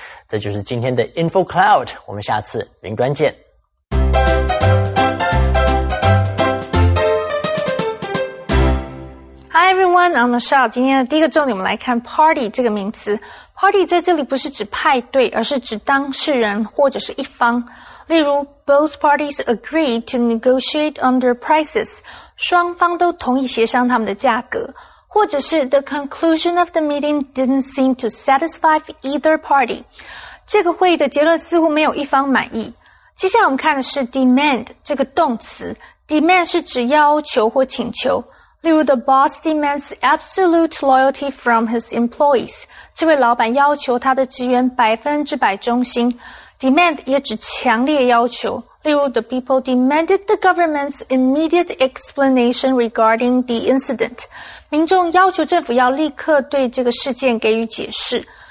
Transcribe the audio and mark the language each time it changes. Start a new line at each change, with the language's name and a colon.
Chinese: 这就是今天的 InfoCloud， 我们下次云端见。
English: Hi everyone, I'm Michelle。
Chinese: 今天的第一个重点我们来看 party 这个名词。party 在这里不是指派对，而是指当事人或者是一方。例如
English: both parties agreed to negotiate on their prices，
Chinese: 双方都同意协商他们的价格。
English: 或者是 the conclusion of the meeting didn't seem to satisfy either party，
Chinese: 这个会议的结论似乎没有一方满意。接下来我们看的是 demand 这个动词， demand 是指要求或请求。例如
English: the boss demands absolute loyalty from his employees，
Chinese: 这位老板要求他的职员百分之百忠心。 demand 也指强烈要求，例如
English: the people demanded the government's immediate explanation regarding the incident，
Chinese: 民众要求政府要立刻对这个事件给予解释。